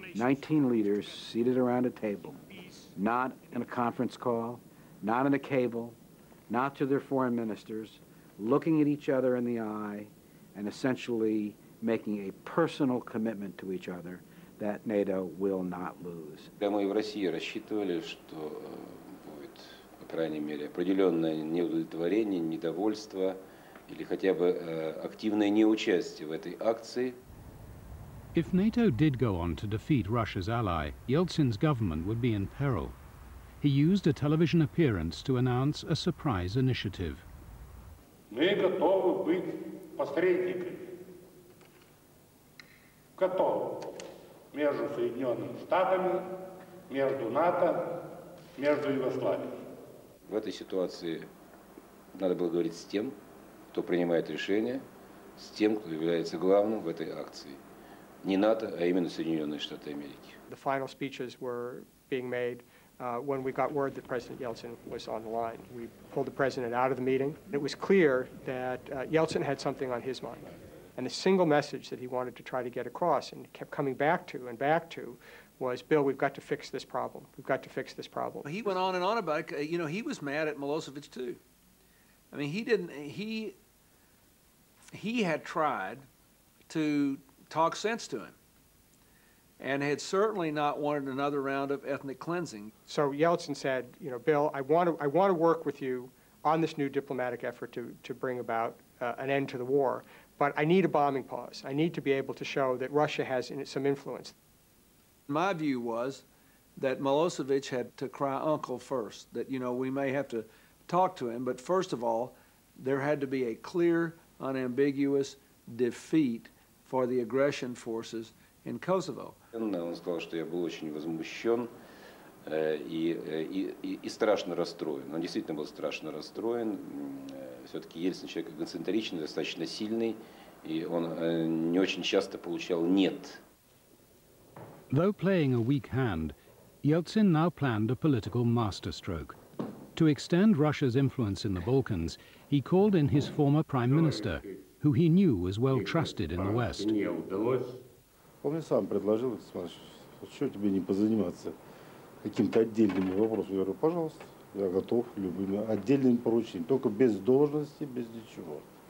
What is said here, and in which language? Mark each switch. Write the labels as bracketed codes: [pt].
[en] 19 leaders seated around a table, not in a conference call, not in a cable, not to their foreign ministers, looking at each other in the eye and essentially making a personal commitment to each other that NATO will not lose. [ru] Мы в России рассчитывали, что будет, по крайней мере, определенное неудовлетворение, недовольство или хотя бы активное неучастие в этой акции. [en] If NATO did go on to defeat Russia's ally, Yeltsin's government would be in peril. He used a television appearance to announce a surprise initiative. [ru] Мы готовы быть посредниками. Готовы. Между Соединенными Штатами, между НАТО, между Югославией. В этой ситуации надо было говорить с тем, кто принимает решение, с тем, кто является главным в этой акции. Не НАТО, а именно Соединенные Штаты Америки. [en] The final speeches were being made when we got word that President Yeltsin was on the line. We pulled the president out of the meeting. It was clear that Yeltsin had something on his mind. And the single message that he wanted to try to get across and kept coming back to and back to was, Bill, we've got to fix this problem. We've got to fix this problem. He went on and on about it. You know, he was mad at Milosevic, too. I mean, he didn't, he had tried to talk sense to him and had certainly not wanted another round of ethnic cleansing. So Yeltsin said, you know, Bill, I want to work with you on this new diplomatic effort to bring about an end to the war, but I need a bombing pause. I need to be able to show that Russia has some influence. My view was that Milosevic had to cry uncle first, that, you know, we may have to talk to him, but first of all, there had to be a clear, unambiguous defeat for the aggression forces in Kosovo. [ru] Он сказал, что я был очень возмущен и страшно расстроен. Он действительно был страшно расстроен. Все-таки Ельцин человек эгоцентричный, достаточно сильный, и он не очень часто получал «нет». [en] Though playing a weak hand, Yeltsin now planned a political masterstroke. To extend Russia's influence in the Balkans, he called in his former prime minister, who he knew was well trusted in the West. [ru] Он мне сам предложил, смотри, что тебе не позаниматься каким-то отдельным вопросом. Я говорю, пожалуйста, я готов любым отдельным поручением, только без должности, без ничего.